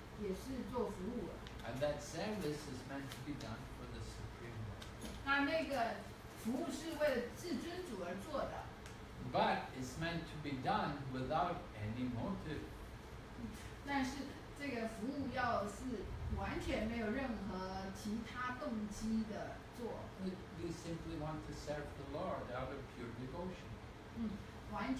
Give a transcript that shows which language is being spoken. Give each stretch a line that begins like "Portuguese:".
English: And that service is meant to be done for the Supreme Lord.
Chinese: 那个服务是为了至尊主而做的。
English: But it's meant to be done without any motive.
Chinese: 但是这个服务要是完全没有任何其他动机的做。
English: You simply want to serve the Lord out of pure devotion.